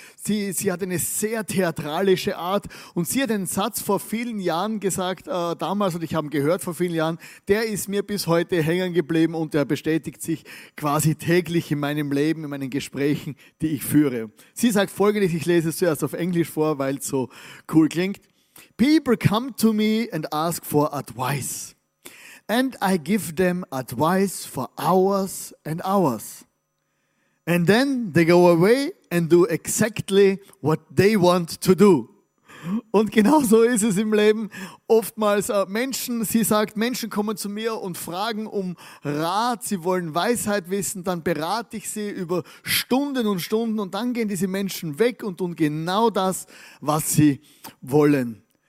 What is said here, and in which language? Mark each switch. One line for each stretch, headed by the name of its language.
German: Sie hat eine sehr theatralische Art und sie hat einen Satz vor vielen Jahren gesagt, damals, und ich habe ihn gehört vor vielen Jahren, der ist mir bis heute hängen geblieben und der bestätigt sich quasi täglich in meinem Leben, in meinen Gesprächen, die ich führe. Sie sagt folgendes, ich lese es zuerst auf Englisch vor, weil es so cool klingt.
English: People come to me and ask for advice. And I give them advice for hours and hours. And then they go away and do exactly what they want to do.
German: Und genau so ist es im Leben. Oftmals Menschen kommen zu mir und fragen um Rat, sie wollen Weisheit wissen, dann berate ich sie über Stunden und Stunden und dann gehen diese Menschen weg und tun genau das, was sie wollen.